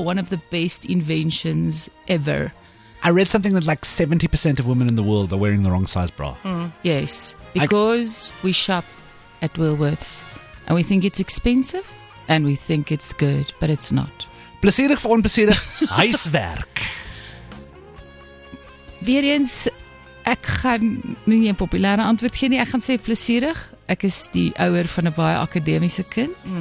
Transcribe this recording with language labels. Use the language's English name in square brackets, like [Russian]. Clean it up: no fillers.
[English] one of the best inventions ever. I read something that like 70% of women in the world are wearing the wrong size bra. Yes, because we shop at Woolworths and we think it's expensive and we think it's good, but it's not. [Afrikaans] Plesierig of onplesierig, huiswerk. Weer eens, ek gaan nie een populaire antwoord gee nie, ek gaan sê plesierig. Ek is die ouer van 'n baie akademiese kind.